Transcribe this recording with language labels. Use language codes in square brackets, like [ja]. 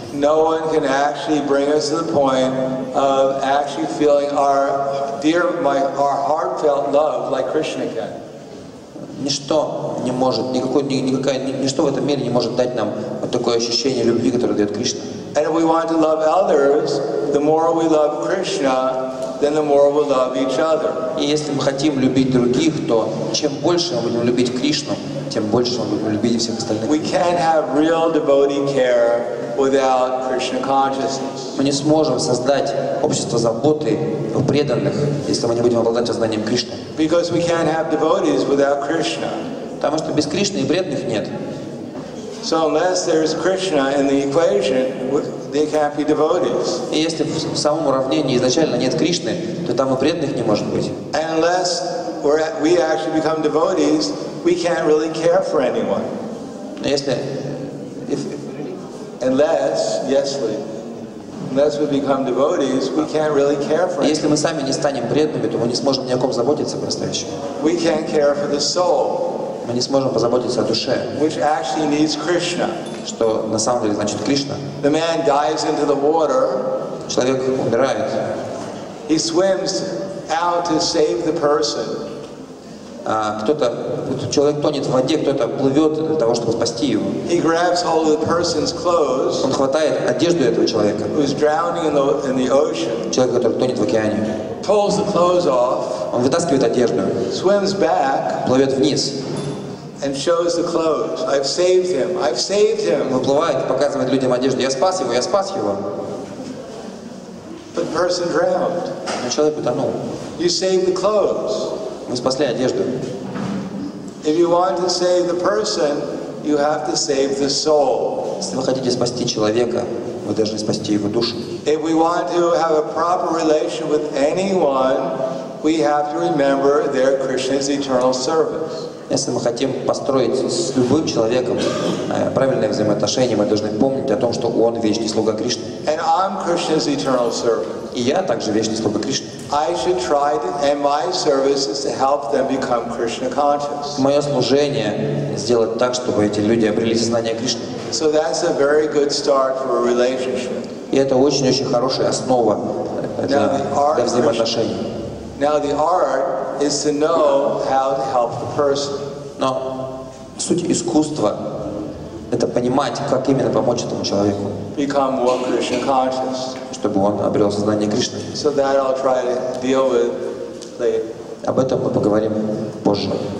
[en] No one can actually bring us to the point of actually feeling our heartfelt love like Krishna can. [ru] Ничто не может, ничто в этом мире не может дать нам вот такое ощущение любви, которое дает Кришна. [en] And if we want to love others, the more we love Krishna, then the more we love each other. [ru] И если мы хотим любить других, то чем больше мы будем любить Кришну, тем больше мы будем любить всех остальных. [en] We can't have real devotee care without Krishna consciousness. [ru] Мы не сможем создать общество заботы о преданных, если мы не будем обладать сознанием Кришны. [en] Because we can't have devotees without Krishna. [ru] Потому что без Кришны и преданных нет. [en] So unless there is Krishna in the equation, they can't be devotees. [ru] И если в самом уравнении изначально нет Кришны, то там и преданных не может быть. [en] And unless we actually become devotees, we can't really care for anyone. Unless we become devotees, we can't really care for anyone. [ru] Если мы сами не станем преданными, то мы не сможем ни о ком заботиться по-настоящему. [en] We can't care for the soul. [ru] Мы не сможем позаботиться о душе, [en] which actually needs Krishna. [ru] Что на самом деле значит Кришна. [en] The man dives into the water. [ru] Человек умирает. [en] He swims out to save the person. [ru] Человек тонет в воде, кто-то плывет для того, чтобы спасти его. [en] He grabs hold of the person's clothes. [ru] Он хватает одежду этого человека. [en] Who's drowning in the ocean. [ru] Человек, который тонет в океане. [en] Pulls the clothes off. [ru] Он вытаскивает одежду. [en] Swims back. [ru] Плывет вниз. [en] And shows the clothes. I've saved him. I've saved him. [ru] Выплывает, показывает людям одежду. Я спас его. Я спас его. [en] But the person drowned. [ru] Но человек утонул. [en] You saved the clothes. [ru] Мы спасли одежду. [en] If you want to save the person, you have to save the soul. [ru] Если вы хотите спасти человека, вы должны спасти его душу. [en] If we want to have a proper relation with anyone, we have to remember their Krishna's eternal service. [ru] Если мы хотим построить с любым человеком правильное взаимоотношение, мы должны помнить о том, что он вечный слуга Кришны. [en] And I'm Krishna's eternal servant. [ru] И я также вечный слуга Кришны. [en] I should try to, and my service is to help them become Krishna conscious. [ru] Мое служение сделать так, чтобы эти люди обрели сознание Кришны. [en] So that's a very good start for a relationship. [ru] И это очень-очень хорошая основа для взаимоотношений. [en] Now the art is to know how to help the person. [ru] Но суть искусства — это понимать, как именно помочь этому человеку. [en] Become one Krishna conscious. [ru] Чтобы он обрел сознание Кришны. [en] So that I'll try to deal with later. [ru] Об этом мы поговорим позже.